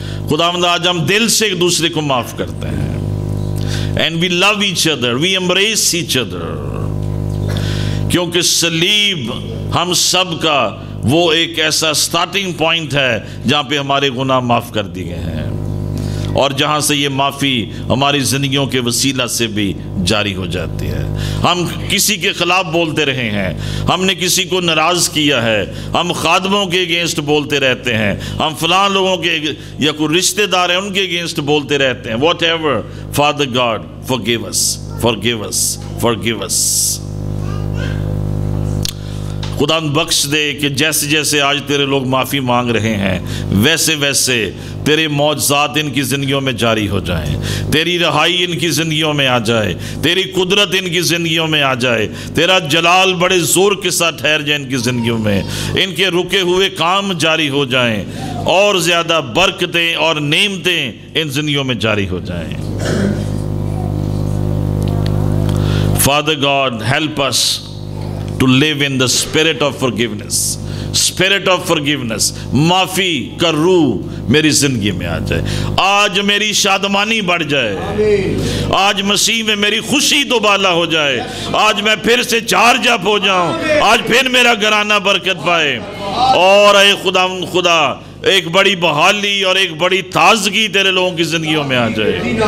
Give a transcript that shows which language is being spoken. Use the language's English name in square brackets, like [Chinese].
[Urdu] خداوند آج ہم دل سے ایک دوسرے کو معاف کرتے ہیں. [English] and we love each other, [Urdu] we embrace each other, کیونکہ صلیب ہم سب کا وہ ایک ایسا سٹارٹنگ پوائنٹ ہے جہاں پہ ہمارے گناہ معاف کر دیے ہیں, اور جہاں سے یہ معافی ہماری زندگیوں کے وسیلہ سے بھی جاری ہو جاتی ہے. ہم کسی کے خلاف بولتے رہے ہیں, ہم نے کسی کو ناراض کیا ہے, ہم خادموں کے اگینسٹ بولتے رہتے ہیں, ہم فلان لوگوں کے یا کوئی رشتے دار ہیں ان کے اگینسٹ بولتے رہتے ہیں. [English] Whatever, father God forgive us, forgive us, forgive us. [Urdu] خدا بخش دے کہ جیسے جیسے آج تیرے لوگ معافی مانگ رہے ہیں, ویسے ویسے تیرے معجزات ان کی زندگیوں میں جاری ہو جائیں, تیری رہائی ان کی زندگیوں میں آ جائے, تیری قدرت ان کی زندگیوں میں آ جائے, تیرا جلال بڑے زور کے ساتھ ٹھہر جائے ان کی زندگیوں میں, ان کے رکے ہوئے کام جاری ہو جائیں, اور زیادہ برکتیں اور نعمتیں ان زندگیوں میں جاری ہو جائیں. [English] Father God help us to live in the spirit of forgiveness, spirit of forgiveness. [Urdu] معافی کا روح میری زندگی میں آ جائے, آج میری شادمانی بڑھ جائے, آج مسیح میں میری خوشی دوبالہ ہو جائے, آج میں پھر سے چارج اپ ہو جاؤں, آج پھر میرا گھرانہ برکت پائے, اور اے خدا خدا ایک بڑی بحالی اور ایک بڑی تازگی تیرے لوگوں کی زندگیوں میں آ جائے.